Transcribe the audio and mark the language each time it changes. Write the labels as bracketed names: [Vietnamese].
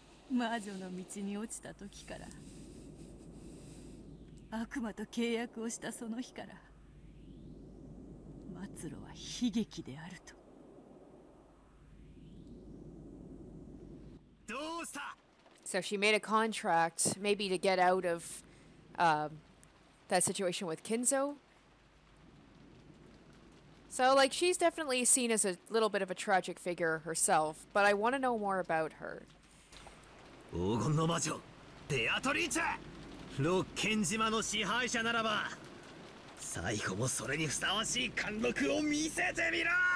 [Japanese] 魔女の道に落ちた時から悪魔と契約をしたその日から末路は悲劇であると。どうした？ [English] So she made a contract maybe to get out of that situation with Kinzo. So like she's definitely seen as a little bit of a tragic figure herself, but I want to know more about her. [Japanese] 黄金の魔女、ベアトリーチェ、六軒島の支配者ならば、最後もそれにふさわしい貫禄を見せてみろ。